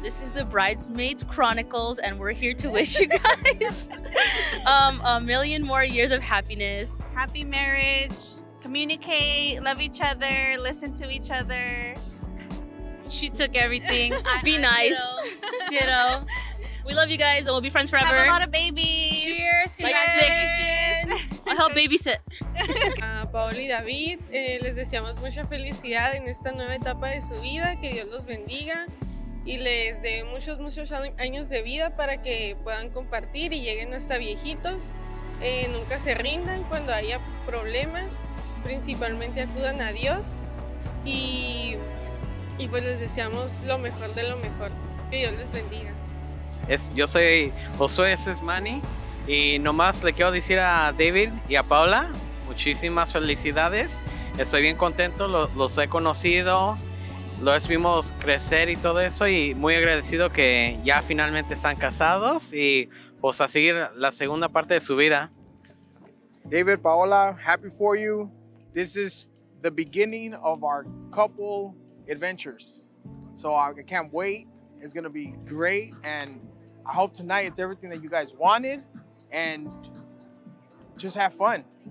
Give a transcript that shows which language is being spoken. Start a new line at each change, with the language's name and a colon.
English: This is the Bridesmaids Chronicles, and we're here to wish you guys a million more years of happiness. Happy marriage. Communicate, love each other, listen to each other. She took everything. Be nice. We love you guys, and we'll be friends forever. Have a lot of babies. Cheers. Like 6. I'll help babysit.
Spanish: Paola y David, les deseamos mucha felicidad en esta nueva etapa de su vida. Que Dios los bendiga y les dé muchos, muchos años de vida para que puedan compartir y lleguen hasta viejitos. Nunca se rindan cuando haya problemas. Principalmente acudan a Dios. Y pues les deseamos lo mejor de lo mejor. Que Dios les bendiga. Yo soy Josué Sesmani y nomás le quiero decir a David y a Paola, muchísimas felicidades. Estoy bien contento, los he conocido, los vimos crecer y todo eso, y muy agradecido que ya finalmente están casados y pues a seguir la segunda parte de su vida.
English: David, Paola, happy for you. This is the beginning of our couple adventures. So I can't wait. It's going to be great. And I hope tonight it's everything that you guys wanted. And just have fun.